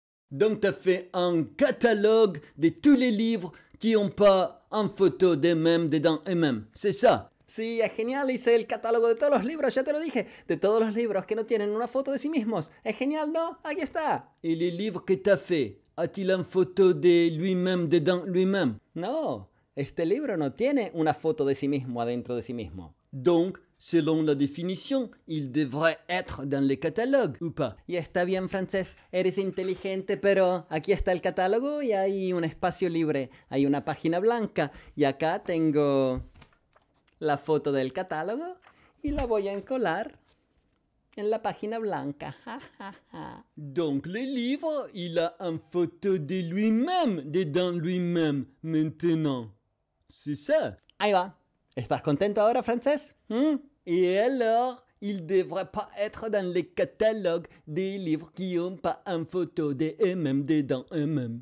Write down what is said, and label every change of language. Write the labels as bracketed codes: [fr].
[fr] Donc t'as fait un catalogue de tous les livres qui n'ont pas en photo d'eux-mêmes dedans eux-mêmes, c'est ça? [es] Sí, es genial, hice el catálogo de todos los libros, ya te lo dije, de todos los libros que no tienen una foto de sí mismos. Es genial, ¿no? Aquí está. [fr] Y les livres que t'as fait, a-t-il en photo de lui-même dedans lui-même? [es] No, este libro no tiene una foto de sí mismo adentro de sí mismo. [fr] Donc, selon la définition, il devrait être dans le catalogue, ou pas? [es] Y está bien, francés, eres inteligente, pero aquí está el catálogo y hay un espacio libre. Hay una página blanca y acá tengo la foto del catálogo y la voy a encolar en la página blanca. [fr] Donc le livre, il a une photo de lui-même dedans lui-même maintenant, c'est ça? [es] Ahí va. ¿Estás contento ahora, francés? ¿Mm? [fr] Y alors, il devrait pas être dans le catalogue des livres qui ont pas une photo de eux-mêmes dedans eux-mêmes.